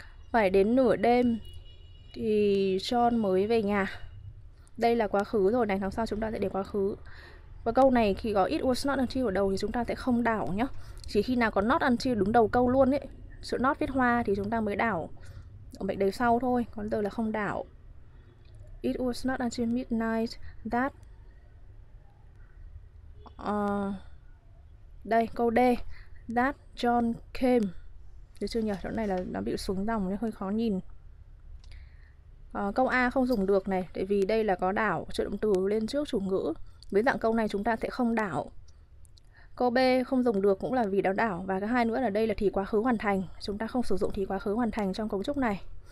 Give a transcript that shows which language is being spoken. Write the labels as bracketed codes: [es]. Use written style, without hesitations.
[vi] Phải đến nửa đêm thì John mới về nhà. Đây là quá khứ rồi này, đằng sau chúng ta sẽ để quá khứ. Và câu này khi có [en] it was not until [vi] ở đầu thì chúng ta sẽ không đảo nhé. Chỉ khi nào có [en] not until [vi] đúng đầu câu luôn ấy, sự not viết hoa thì chúng ta mới đảo ở mệnh đề sau thôi, còn giờ là không đảo. [en] It was not until midnight that [vi] đây câu D, [en] that John came. [vi] Được chưa nhỉ? Chỗ này là nó bị xuống dòng nên hơi khó nhìn. Câu A không dùng được này, tại vì đây là có đảo trợ động từ lên trước chủ ngữ. Với dạng câu này chúng ta sẽ không đảo. Câu B không dùng được cũng là vì đã đảo. Và cái hai nữa là đây là thì quá khứ hoàn thành, chúng ta không sử dụng thì quá khứ hoàn thành trong cấu trúc này.